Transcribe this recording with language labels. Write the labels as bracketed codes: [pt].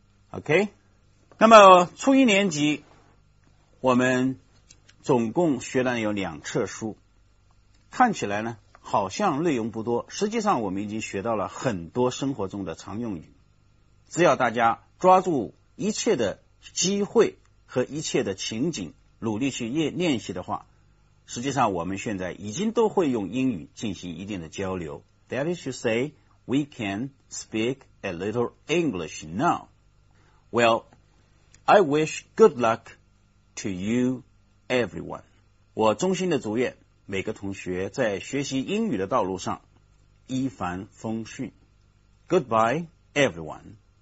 [zh] OK, 那么初一年级我们总共学了有两册书，看起来呢好像内容不多，实际上我们已经学到了很多生活中的常用语，只要大家抓住一切的机会和一切的情景努力去练习的话，实际上我们现在已经都会用英语进行一定的交流。 [en] That is to say, we can speak a little English nowWell, I wish good luck to you, everyone. [zh] 我衷心的祝愿每个同学在学习英语的道路上一帆风顺。 [en] Goodbye, everyone.